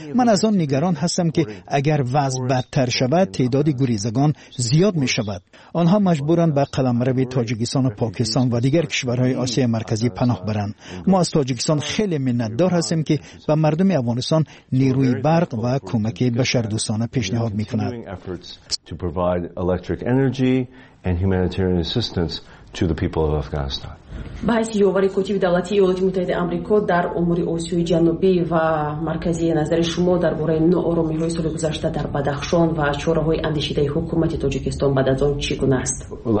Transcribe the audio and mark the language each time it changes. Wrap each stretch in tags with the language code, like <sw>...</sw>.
<fa>من از آن نگران هستم که اگر وضع بدتر شود تعداد گریزگان زیاد می‌شود. آنها مجبورند به قلم قلمرو تاجیکستان و پاکستان و دیگر کشورهای آسیای مرکزی پناه برند. ما از تاجیکستان خیلی منتدار هستیم که به مردم افغانستان نیروی برق و کمک بشردوستانه پیشنهاد میکند.</fa> <en>And humanitarian assistance to the people of Afghanistan.</en> <fa>باعث یووری کوتیو دولتی ایالات متحده آمریکا در امور آسیای جنوبی و مرکزی نظر شما درباره نوآرامی‌های سال گذشته در بدخشان و چاره‌های اندیشیده حکومت تاجیکستان بعد از آن چگونه است؟</fa>